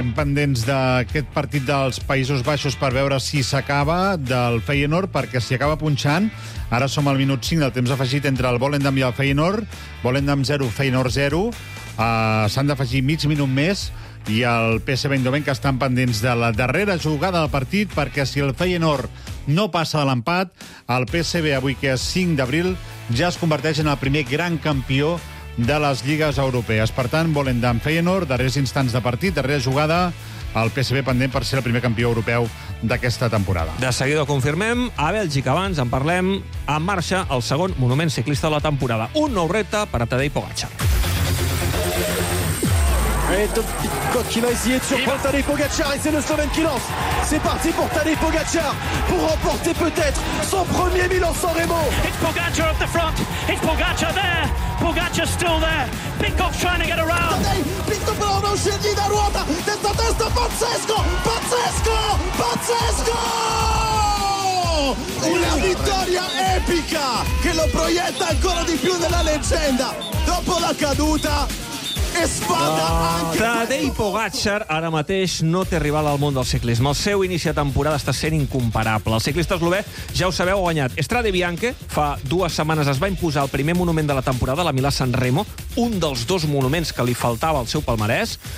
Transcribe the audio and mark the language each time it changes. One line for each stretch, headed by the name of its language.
Catalan: Estem pendents de aquest partit dels Països Baixos per veure si s'acaba del Feyenoord, perquè si acaba punxant, ara som al minut 5 del temps afegit entre el Volendam i el Feyenoord, Volendam 0, Feyenoord 0, s'han d'afegir mig minut més, i el PSV Eindhoven que estan pendents de la darrera jugada del partit, perquè si el Feyenoord no passa de l'empat, el PSV avui que és 5 d'abril ja es converteix en el primer gran campió de les lligues europees. Per tant, Volendam, Feyenoord, darrers instants de partit, darrera jugada, el PSV pendent per ser el primer campió europeu d'aquesta temporada. De seguida ho confirmem. A Bèlgica, abans en parlem, en marxa el segon monument ciclista de la temporada. Un nou repte per a Tadej Pogacar.
French: Qui va essayer de surprendre Tadej Pogacar et c'est le Slovène qui lance. C'est parti pour Tadej Pogacar pour remporter peut-être son premier Milan-San Remo.
English: It's Pogacar at the front. It's Pogacar there. Pogacar still there. Pickoff trying to get around.
Italian: Pickoff però non scende da ruota. Testa a testa pazzesco! Pazzesco! Pazzesco! Una vittoria epica che lo proietta ancora di più nella leggenda. Dopo la caduta Espada! No.
Catalan: Tadej Pogacar ara mateix no té rival al món del ciclisme. El seu inici de temporada està sent incomparable. El ciclista eslové, ja ho sabeu, ha guanyat Strade Bianche. Fa dues setmanes es va imposar el primer monument de la temporada, la Milà-San Remo, un dels dos monuments que li faltava al seu palmarès.